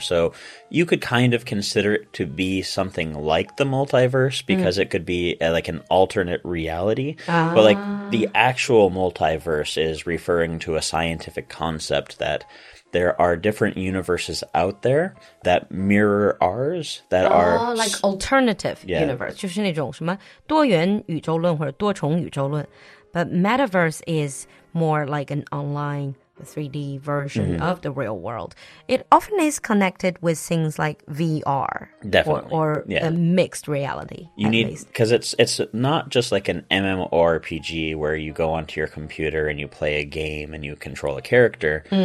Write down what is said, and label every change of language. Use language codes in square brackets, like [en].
[en] So you could kind of consider it to be something like the multiverse because it could be like an alternate reality. But like the actual multiverse is referring to a scientific concept that there are different universes out there that mirror ours that are... Like alternative universe. [zh] 就是那种什么多元宇宙论或者多重宇宙论。 [en] But metaverse is... more like an online 3D version of the real world. It often is connected with things like VR. Definitely. Or a mixed reality. You need, because it's not just like an MMORPG where you go onto your computer and you play a game and you control a character.